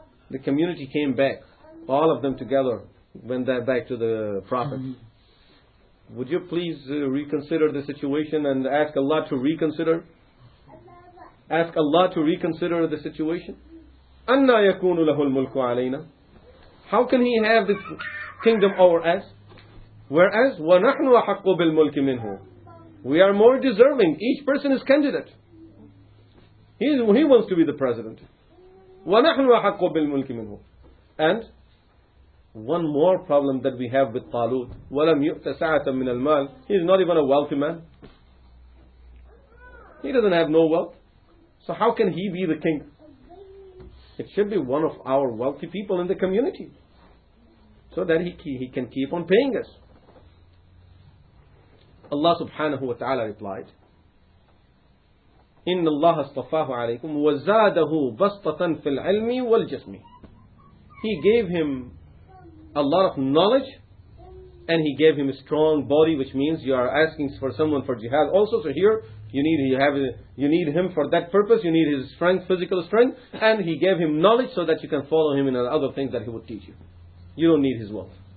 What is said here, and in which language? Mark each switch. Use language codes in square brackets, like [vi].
[en] The community came back, all of them together, went back to the prophet. Would you please reconsider the situation and ask Allah to reconsider? Ask Allah to reconsider the situation? [ar] أَنَّا يَكُونُ لَهُ الْمُلْكُ عَلَيْنَا. [en] How can he have this kingdom over us? Whereas, [ar] وَنَحْنُ أَحَقُّ بِالْمُلْكِ مِنْهُ. [en] We are more deserving. Each person is candidate. He wants to be the president. [ar] وَنَحْنُ أَحَقُّ بِالْمُلْكِ مِنْهُ. [en] And one more problem that we have with Talut. [ar] وَلَمْ يُؤْتَ سَعَةً مِنَ الْمَالِ. [en] He is not even a wealthy man. He doesn't have no wealth. So how can he be the king? It should be one of our wealthy people in the community, so that he can keep on paying us. Allah subhanahu wa ta'ala replied, [ar] إِنَّ اللَّهَ اصْطَفَاهُ عَلَيْكُمْ وَزَادَهُ بَسْطَةً فِي الْعِلْمِ وَالْجِسْمِ. [en] He gave him a lot of knowledge, and he gave him a strong body, which means you are asking for someone for jihad also. So here, you need him for that purpose. You need his strength, physical strength. And he gave him knowledge so that you can follow him in other things that he would teach you. You don't need his wealth.